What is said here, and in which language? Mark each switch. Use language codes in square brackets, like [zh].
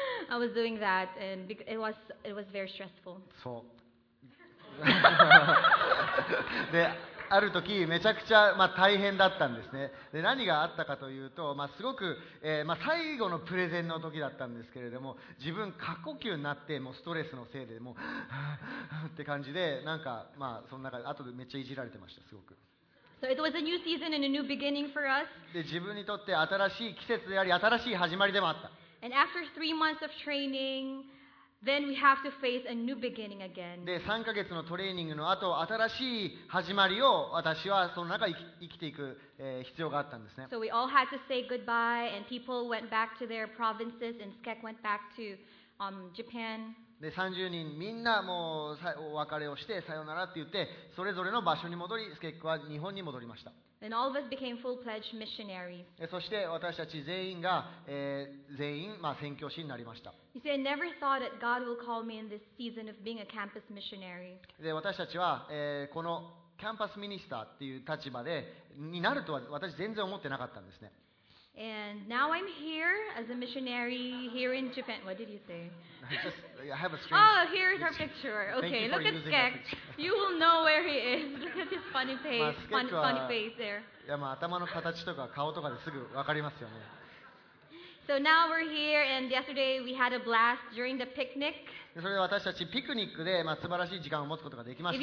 [en] I was doing that and it was very stressful. [ja] そう。で、ある時めちゃくちゃ、まあ、大変だったんですね。で、何があったかというと、まあ、すごく、まあ、最後のプレゼンの時だったんですけれども、自分過呼吸になって、もうストレスのせいでもうって感じで、なんか、まあ、その中で後でめっちゃいじられてました、すごく。 [en] So it was a new season and a new beginning for us. [ja] で、自分にとって新しい季節であり、新しい始まりでもあった。 [en] And after 3 months of trainingThen we have to face a new beginning again. [ja] で、3ヶ月のトレーニングの後、新しい始まりを私はその中生きていく、必要があったんですね。 [en] So we all had to say goodbye, and people went back to their provinces, and Skek went back to, Japan. [ja] で、30人みんなもうお別れをしてさよならって言って、それぞれの場所に戻り、スケックは日本に戻りました。 [en] And all of us became full-fledged missionaries. [ja] そして私たち全員が、全員、まあ、宣教師になりました。 [en] You see, I never thought that God will call me in this season of being a campus missionary. [ja] で、私たちは、このキャンパスミニスターっていう立場でになるとは私全然思ってなかったんですね。 [en] And now I'm here as a missionary here in Japan. What did you say? I have a strange. Oh, here's our picture. Okay, look at Skek. You will know where he is. Look at his funny face. Funny face there. [ja] いや、まあ、頭の形とか顔とかですぐ分かりますよね。 [en] So now we're here, and yesterday we had a blast during the picnic. [ja] それで私たちピクニックで、まあ、素晴らしい時間を持つことができました。